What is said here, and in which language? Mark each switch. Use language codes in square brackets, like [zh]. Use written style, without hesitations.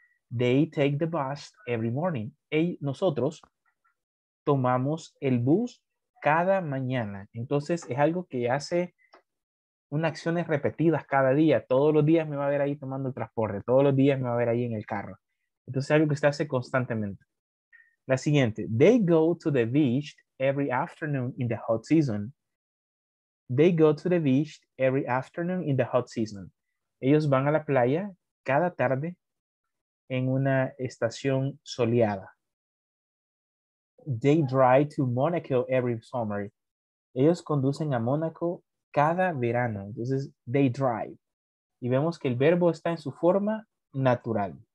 [en] They take the bus every morning. [es] Nosotros tomamos el bus cada mañana. Entonces es algo que hace unas acciones repetidas cada día. Todos los días me va a ver ahí tomando el transporte. Todos los días me va a ver ahí en el carro. Entonces es algo que se hace constantemente. La siguiente. [en] They go to the beach every afternoon in the hot season. They go to the beach every afternoon in the hot season. [es] Ellos van a la playa cada tarde en una estación soleada. [en] They drive to Monaco every summer. [es] Ellos conducen a Mónaco cada verano. Entonces, [en] they drive. [es] Y vemos que el verbo está en su forma natural.